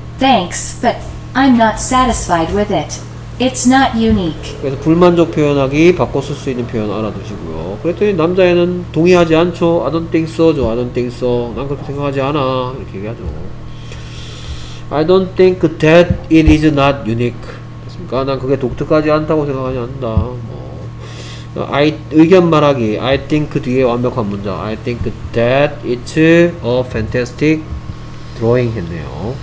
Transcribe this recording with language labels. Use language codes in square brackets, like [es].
[en] thanks but I'm not satisfied with it It's not unique. [ko] 그래서 불만족 표현하기 바꿔 쓸 수 있는 표현 알아두시고요. 그랬더니 남자애는 동의하지 않죠. [en] I don't think so. [ko] 난 그렇게 생각하지 않아. 이렇게 얘기하죠. [en] I don't think that it is not unique. [ko] 그러니까 난 그게 독특하지 않다고 생각하지 않는다. 뭐, I 의견 말하기. I think 뒤에 완벽한 문장. [en] I think that it's a fantastic drawing 했네요.